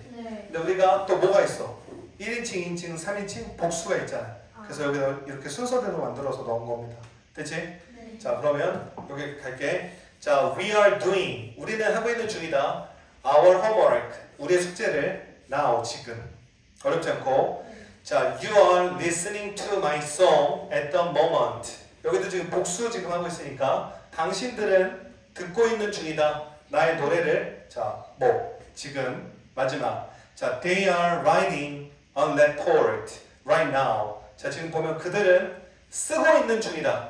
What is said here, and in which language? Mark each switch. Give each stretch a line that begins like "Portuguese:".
Korean: 네. 근데 우리가 또 뭐가 있어? 1인칭, 2인칭, 3인칭 복수가 있잖아. 아. 그래서 여기다 이렇게 순서대로 만들어서 넣은 겁니다. 됐지? 네. 자, 그러면 여기 갈게. 자,
English: we are doing.
Korean: 우리는 하고 있는 중이다.
English: Our homework.
Korean: 우리의 숙제를. Now, 지금. 어렵지 않고. 네.
English: 자, you are listening to my song at the moment.
Korean: 여기도 지금 복수 지금 하고 있으니까 당신들은 듣고 있는 중이다. 나의 노래를 자, 뭐 지금 마지막 자,
English: they are writing a report right now.
Korean: 자, 지금 보면 그들은 쓰고 있는 중이다.